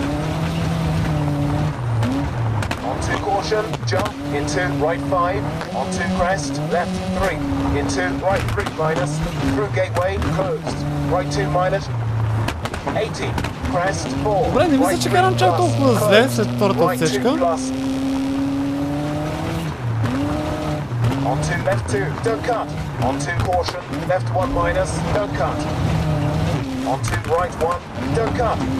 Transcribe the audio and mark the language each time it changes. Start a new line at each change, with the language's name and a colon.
English: Onto caution, jump, into right 5, onto crest, left 3, into right 3 minus, through gateway, closed, right 2 minus, 80, crest 4,
Bulgarian: добре, не мисля, че карам чак толкова зле след втората отсечка.
English: Onto left 2, don't cut, onto caution, left 1 minus, don't cut, onto right 1, don't cut.